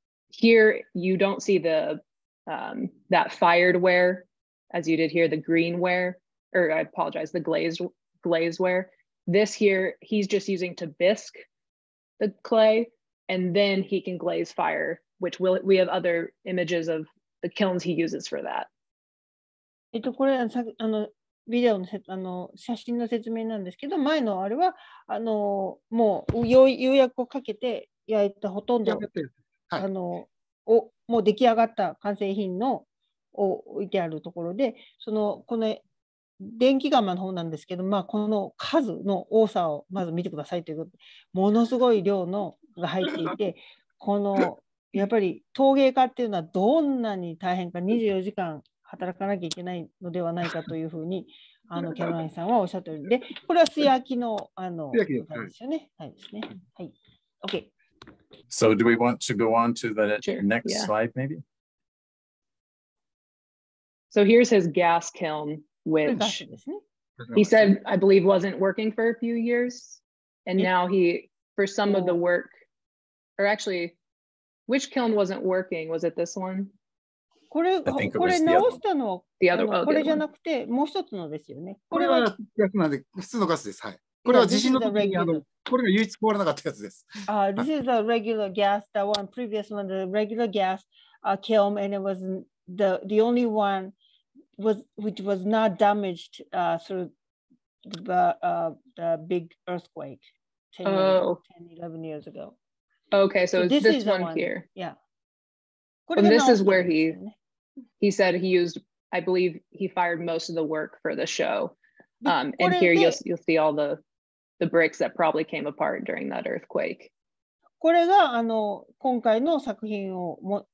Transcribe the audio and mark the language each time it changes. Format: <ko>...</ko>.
<en>Here you don't see the that fired ware, as you did here, the green ware, or I apologize, the glazed ware. This here, he's just using to bisque the clay, and then he can glaze fire, which we have other images of the kilns he uses for that.</en> <ja>これはさあのビデオ の, あの写真の説明なんですけど、前のあれはあのもう釉薬をかけて焼いたほとんど、あのをもう出来上がった完成品のを置いてあるところで、そのこの電気釜の方なんですけど、まあ、この数の多さをまず見てくださいということで、ものすごい量のが入っていて、このやっぱり陶芸家っていうのはどんなに大変か、24時間働かなきゃいけないのではないかというふうにあのキャロラインさんはおっしゃってるんで、これは素焼きの、あの、素焼きですよね。はいですね。はい。OK。</ja> <en>So do we want to go on to the next slide, maybe? So here's his gas kiln, which he said, I believe, wasn't working for a few years. And now he, for some of the work, or actually, which kiln wasn't working? Was it this one?</en> <ja>これ、これ直したの、これじゃなくて、もう一つのですよね。これは、普通のガスです。はい。これは地震の時にあの、これが唯一壊れなかったやつです。</ja> <en>This is a regular gas, the one previous one, the regular gas kiln, and it was the only one was, which was not damaged through the big earthquake 10, 11 years ago. Okay, so this, this is one here. Yeah. And this is where he said he used, I believe he fired most of the work for the show. And here you'll see all the bricks that probably came apart during that earthquake.</en> <ja>これがあの今回の作品をも</ja>